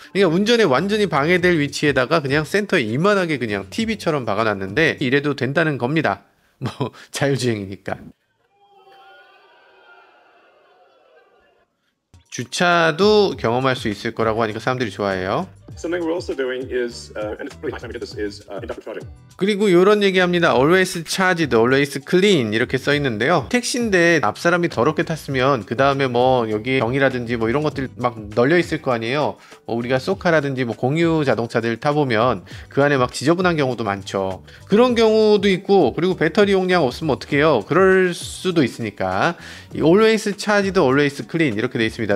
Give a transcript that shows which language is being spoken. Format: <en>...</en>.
<ko>그러니까 운전에 완전히 방해될 위치에다가 그냥 센터에 이만하게 그냥 TV처럼 박아놨는데 이래도 된다는 겁니다. 뭐 자율주행이니까. 주차도 경험할 수 있을 거라고 하니까 사람들이 좋아해요.</ko> <en>Something we're also doing is, and it's really my time to do this, is inductive charging.</en> <ko>그리고 이런 얘기합니다.</ko> <en>Always charged, always clean</en> <ko>이렇게 써 있는데요. 택시인데 앞 사람이 더럽게 탔으면 그 다음에 뭐 여기 경이라든지 뭐 이런 것들 막 널려 있을 거 아니에요. 뭐 우리가 소카라든지 뭐 공유 자동차들 타 보면 그 안에 막 지저분한 경우도 많죠. 그런 경우도 있고 그리고 배터리 용량 없으면 어떡해요. 그럴 수도 있으니까 이</ko> <en>always charged, always clean</en> <ko>이렇게 돼 있습니다.</ko>